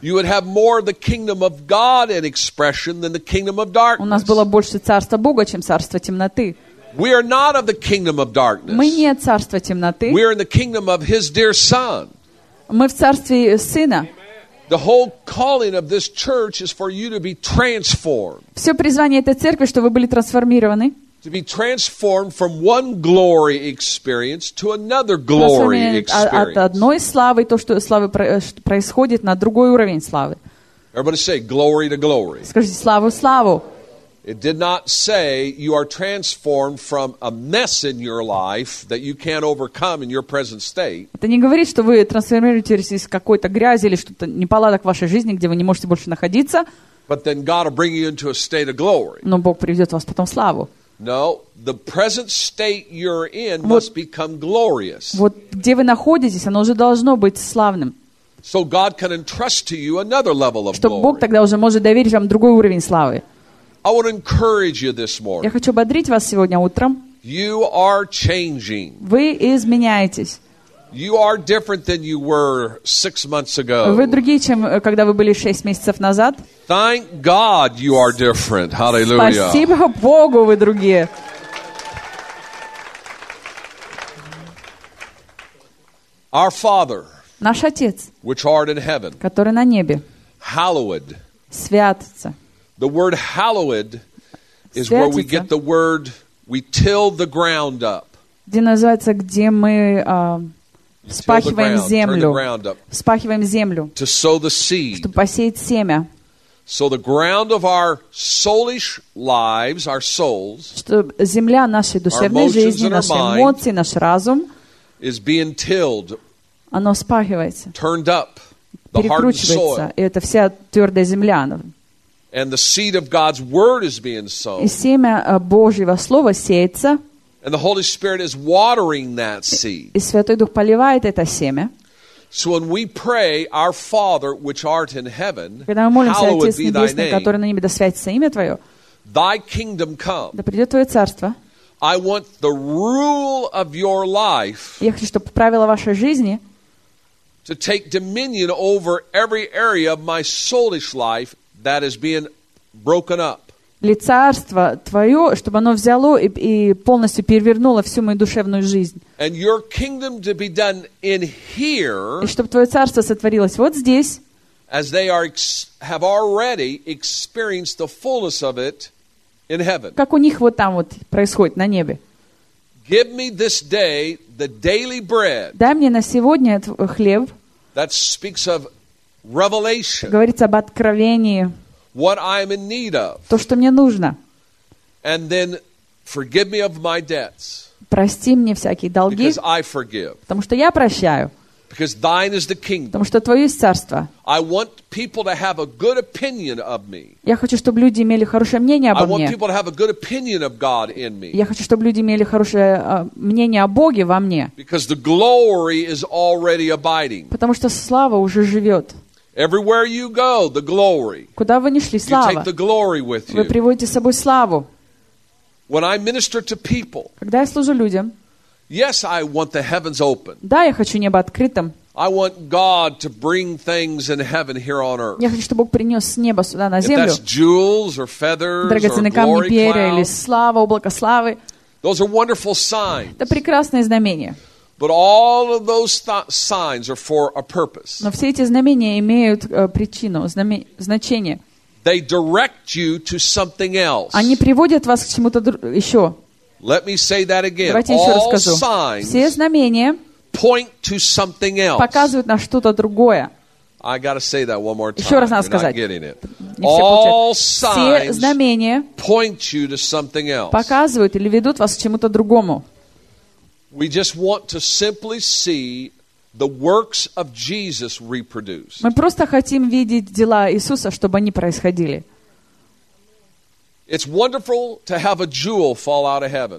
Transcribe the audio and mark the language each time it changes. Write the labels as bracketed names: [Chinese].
[English] You would have more of the kingdom of God in expression than the kingdom of darkness. [Russian] У нас было больше царства Бога, чем царства темноты. [English] We are not of the kingdom of darkness. [Russian] Мы не от царства темноты. [English] We are in the kingdom of His dear Son. [Russian] Мы в царстве Сына. [English] The whole calling of this church is for you to be transformed. [Russian] Все призвание этой церкви, чтобы вы были трансформированы. [English] To be transformed from one глory experience to another glory experience. [Russian] От одной славы, то, что славы происходит, на другой уровень славы. [English] Everybody say glory to glory. [Russian] Скажите славу славу. [English] It did not say you are transformed from a mess in your life that you can't overcome in your present state. [Russian] Это не говорит, что вы трансформируетесь из какой-то грязи или что-то неполадок в вашей жизни, где вы не можете больше находиться. [English] But then God will bring you into a state of glory. [Russian] Но Бог приведет вас потом в славу. [English] No, the present state you're in must become glorious. [Russian] Вот где вы находитесь, оно уже должно быть славным. [English] So God can entrust to you another level of glory. [Russian] Чтобы Бог тогда уже может доверить вам другой уровень славы. [English] I want to encourage you this morning. [Russian] Я хочу ободрить вас сегодня утром. [English] You are changing. [Russian] Вы изменяетесь. [English] You are different than you were 6 months ago. [Russian] Вы другие, чем когда вы были 6 месяцев назад. [English] Thank God you are different. Hallelujah. [Russian] Спасибо Богу, вы другие. [English] Our Father. [Russian] Наш Отец. [English] Which art in heaven. [Russian] Который на небе. [English] Hallowed. [Russian] Святится. [English] The word hallowed is [Russian] Святится. [English] Where we get the word we till the ground up. [Russian] Где называется, где мы вспахиваем землю. Вспахиваем землю. [English] To sow the seed. [Russian] Чтобы посеять семя. [English] So the ground of our soulish lives, our souls, [Russian] чтобы земля нашей душевной жизни, наши эмоции, наш разум, [English] is being tilled. [Russian] Оно вспахивается. [English] Turned up. [Russian] Перекручивается. И это вся твердая земля. [English] And the seed of God's word is being sown. [Russian] И семя Божьего слова сеется. [English] And the Holy Spirit is watering that seed. [Russian] И Святой Дух поливает это семя. [English] So when we pray, our Father, which art in heaven, [Russian] когда мы молимся, Отец Небесный, который на небе, да святится имя Твое. [English] Thy kingdom come. [Russian] Да придет Твое царство. [English] I want the rule of your life. [Russian] Я хочу, чтобы правила вашей жизни. [English] To take dominion over every area of my soulish life. That is being broken up. [Russian] Лицарство твое, чтобы оно взяло и полностью перевернуло всю мою душевную жизнь. [English] And your kingdom to be done in here. [Russian] И чтобы твое царство сотворилось вот здесь. [English] As they have already experienced the fullness of it in heaven. [Russian] Как у них вот там вот происходит на небе. [English] Give me this day the daily bread. [Russian] Дай мне на сегодня твой хлеб. [English] That speaks of Revelation. [Russian] Говорится об откровении. [English] What I am in need of. [Russian] То, что мне нужно. [English] And then forgive me of my debts. [Russian] Прости мне всякие долги. [English] Because I forgive. [Russian] Потому что я прощаю. [English] Because thine is the kingdom. [Russian] Потому что твое есть царство. [English] I want people to have a good opinion of me. [Russian] Я хочу, чтобы люди имели хорошее мнение обо мне. [English] I want people to have a good opinion of God in me. [Russian] Я хочу, чтобы люди имели хорошее мнение о Боге во мне. [English] Because the glory is already abiding. [Russian] Потому что слава уже живет. [English] Everywhere you go, the glory. [Russian] Куда вы ни шли, слава. [English] You take the glory with you. [Russian] Вы приводите с собой славу. [English] When I minister to people. [Russian] Когда я служу людям. [English] Yes, I want the heavens open. [Russian] Да, я хочу небо открытым. [English] I want God to bring things in heaven here on earth. [Russian] Я хочу, чтобы Бог принес с неба сюда на землю. [English] If that's jewels or feathers or [Russian] драгоценные камни, перья или слава, облако славы. [English] Those are wonderful signs. [Russian] Это прекрасные знамения. [English] But all of those signs are for a purpose. [Russian] Но все эти знамения имеют причину, значение. [English] They direct you to something else. [Russian] Они приводят вас к чему-то еще. [English] Let me say that again. [Russian] Давайте еще раз скажу. [English] All signs. [Russian] Все знамения. [English] Point to something else. [Russian] Показывают на что-то другое. [English] I gotta say that one more time. [Russian] Еще раз надо сказать. [English] You're not getting it. All signs. Point you to something else. [Russian] Показывают или ведут вас к чему-то другому. [English] We just want to simply see the works of Jesus reproduced. [Russian] Мы просто хотим видеть дела Иисуса, чтобы они происходили. [English] It's wonderful to have a jewel fall out of heaven.